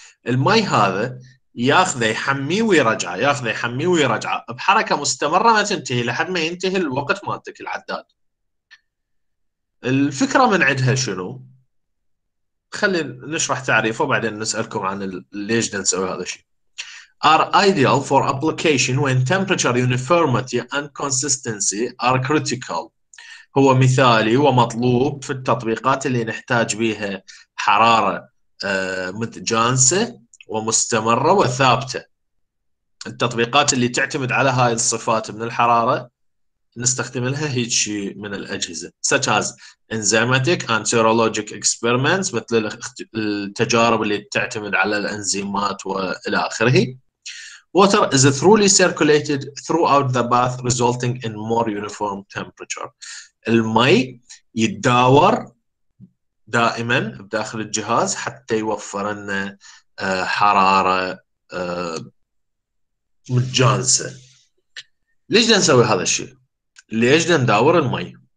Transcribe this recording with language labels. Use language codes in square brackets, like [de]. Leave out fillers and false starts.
[ar] المي هذا ياخذه يحميه ويرجعه، ياخذه يحميه ويرجعه بحركه مستمره ما تنتهي لحد ما ينتهي الوقت مالتك العداد. الفكره من عندها شنو؟ خلينا نشرح تعريفه وبعدين نسالكم عن ليش نسوي هذا الشيء. [en] Are ideal for application when temperature uniformity and consistency are critical. [ar] هو مثالي ومطلوب في التطبيقات اللي نحتاج بيها حرارة متجانسة ومستمرة وثابتة. التطبيقات اللي تعتمد على هاي الصفات من الحرارة نستخدم لها هيك شيء من الأجهزة، [en] such as enzymatic and serologic experiments، [ar] مثل التجارب اللي تعتمد على الأنزيمات وإلى آخره. [en] Water is truly circulated throughout the bath resulting in more uniform temperature. [ar] الماء يتداور دائما بداخل الجهاز حتى يوفر لنا حرارة متجانسة. ليش نسوي هذا الشيء؟ ليش نداور الماء؟